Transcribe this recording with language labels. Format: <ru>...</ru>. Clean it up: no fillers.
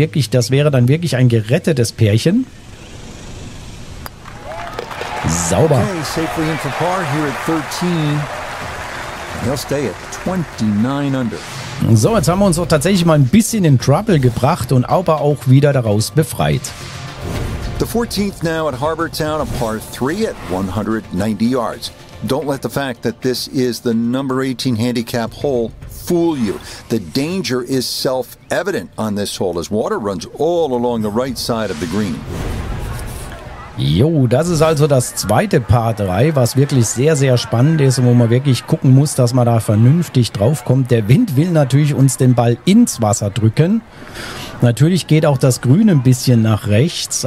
<de>Das wäre dann wirklich ein gerettetes Pärchen. Sauber.</de> <en>Okay, safely in for par here at 13. He'll stay at 29 under.</en> <de>So, jetzt haben wir uns doch tatsächlich mal ein bisschen in Trouble gebracht und aber auch wieder daraus befreit.</de> <en>The 14th now at Harbor Town, a par 3 at 190 yards. Don't let the fact that this is the number 18 handicap hole fool you. The danger is self-evident on this hole as water runs all along the right side of the green.</en> <de>Jo, das ist also das zweite Par 3, was wirklich sehr, sehr spannend ist und wo man wirklich gucken muss, dass man da vernünftig draufkommt. Der Wind will natürlich uns den Ball ins Wasser drücken. Natürlich geht auch das Grün ein bisschen nach rechts.</de>